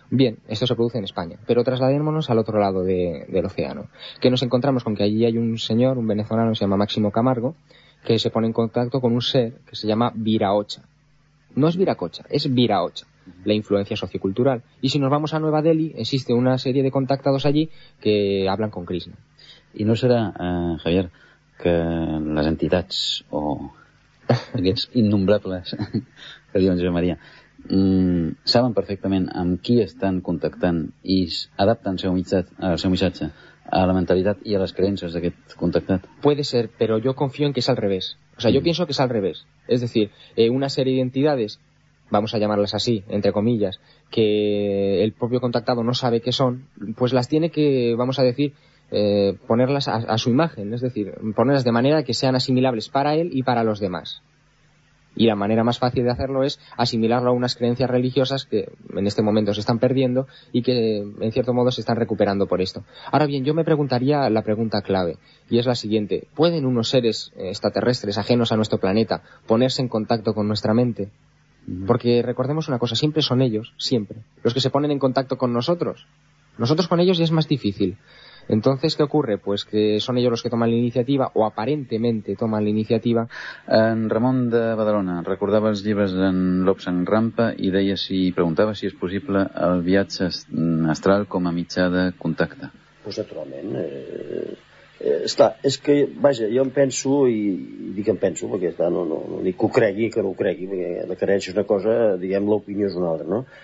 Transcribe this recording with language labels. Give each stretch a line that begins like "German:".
Spanish: Bien, esto se produce en España, pero trasladémonos al otro lado del océano, que nos encontramos con que allí hay un señor, un venezolano, se llama Máximo Camargo, que se pone en contacto con un ser que se llama Viraocha. No es Viracocha, es Viraocha, la influencia sociocultural. Y si nos vamos a Nueva Delhi, existe una serie de contactados allí que hablan con Krishna.
Catalan: I no serà, Javier, que les entitats o aquests innombrables, que diuen Josep Maria, saben perfectament amb qui estan contactant i adapten el seu missatge a la mentalitat i a les creences d'aquest contactat?
Spanish: Puede ser, pero yo confío en que es al revés. O sea, yo pienso que es al revés. Es decir, una serie de entidades, vamos a llamarlas así, entre comillas, que el propio contactado no sabe qué son, pues las tiene que, vamos a decir, ponerlas a su imagen, es decir, ponerlas de manera que sean asimilables para él y para los demás. Y la manera más fácil de hacerlo es asimilarlo a unas creencias religiosas que en este momento se están perdiendo y que, en cierto modo, se están recuperando por esto. Ahora bien, yo me preguntaría la pregunta clave, y es la siguiente. ¿Pueden unos seres extraterrestres, ajenos a nuestro planeta, ponerse en contacto con nuestra mente? Porque recordemos una cosa, siempre son ellos, siempre, los que se ponen en contacto con nosotros. Nosotros con ellos ya es más difícil. Entonces, ¿qué ocurre? Pues que son ellos los que toman la iniciativa, o aparentemente toman la iniciativa.
Catalan: En Ramon de Badalona, recordava els llibres d'en Lopes en Rampa i deia si preguntava si és possible el viatge astral com a mitjà de contacte. Pues naturalment. És que, vaja, jo em penso, i dic em penso, perquè està, no dic que ho cregui, que no ho cregui, perquè la creença és una cosa, diguem, l'opinió és una altra, no?